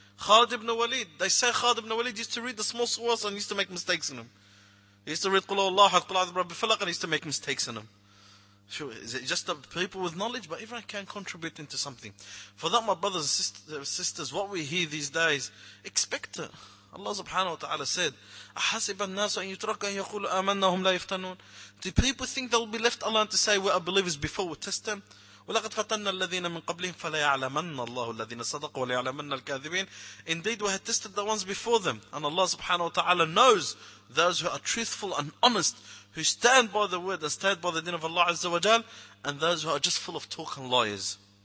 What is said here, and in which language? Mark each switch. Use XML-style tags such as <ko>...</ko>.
<en>Khalid ibn Walid, they say Khalid ibn Walid used to read the small surahs and used to make mistakes in them. He used to read Qulahu Allah, Qulahu Adhu Rabbi Falaq, and used to make mistakes in them. Sure, is it just the people with knowledge? But everyone can contribute into something. For that, my brothers and sisters, what we hear these days, expect it.</en> <ar>Allah subhanahu wa ta'ala said, أَحَسِبَ النَّاسُ أَن يُتْرَكَ أَن يَقُولُ أَمَنَّا هُمْ لَا يَفْتَنُونَ.</ar> <en>Do people think they'll be left alone to say we are believers before we test them?</en> <ar>وَلَقَدْ فَتَنَّا الَّذِينَ مِنْ قَبْلِهِمْ فَلَيَعْلَمَنَّ اللَّهُ الَّذِينَ صَدَقُوا وَلَيَعْلَمَنَّ الْكَاذِبِينَ.</ar> <en>Indeed, we had tested the ones before them. And Allah subhanahu wa ta'ala knows those who are truthful and honest, who stand by the word and stand by the deen of Allah Azza wa Jal, and those who are just full of talk and liars.</en>